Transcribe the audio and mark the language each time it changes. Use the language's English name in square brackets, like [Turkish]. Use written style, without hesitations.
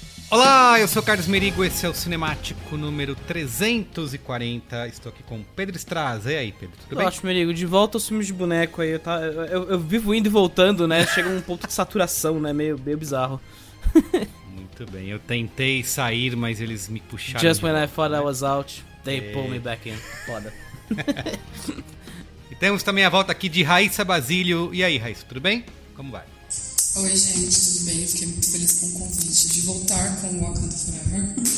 [Portuguese] Olá, eu sou Carlos Merigo, esse é o Cinemático número 340, estou aqui com o Pedro Estraza. E aí, Pedro, tudo bem? Ótimo, Merigo, de volta aos filmes de boneco aí, eu vivo indo e voltando, né, chega um ponto de saturação, né, meio bizarro. Muito bem, eu tentei sair, mas eles me puxaram. [English] Just when I thought I was out, they pulled me back in, [Portuguese] foda. E temos também a volta aqui de Raíssa Basílio. E aí, Raíssa, tudo bem? Como vai? Oi, gente, tudo bem? Fiquei muito feliz com o convite de voltar com o Wakanda Forever.